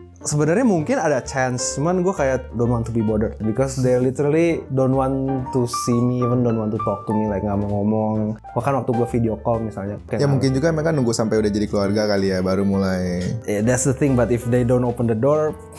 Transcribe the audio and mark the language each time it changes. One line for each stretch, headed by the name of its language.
Indonesian: Sebenarnya mungkin ada chance, cuman gue kayak
English: don't want to be bothered because they literally don't want to see me, even don't want to talk to me, like
Indonesian: nggak mau ngomong. Bahkan waktu gue video call misalnya. Ya nah, mungkin juga mereka nunggu sampai udah jadi keluarga kali ya, baru mulai.
English: Yeah, that's the thing, but if they don't open the door,